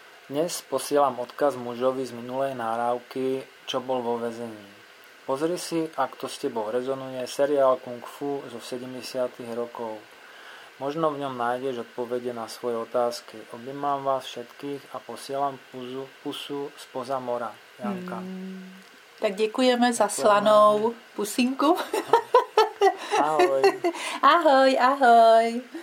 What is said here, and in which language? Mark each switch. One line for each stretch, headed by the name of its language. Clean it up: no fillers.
Slovak: Dnes posielam odkaz mužovi z minulej nahrávky, čo bol vo väzení. Pozri si, ak to s tebou rezonuje, seriál Kung Fu zo 70. rokov. Možno v ňom nájdeš odpovede na svoje otázky. Objímam vás všetkých a posielam pusu spoza mora. Janka. Hmm.
Czech: Tak děkujeme za slanou pusinku. Ahoj. Ahoj, ahoj.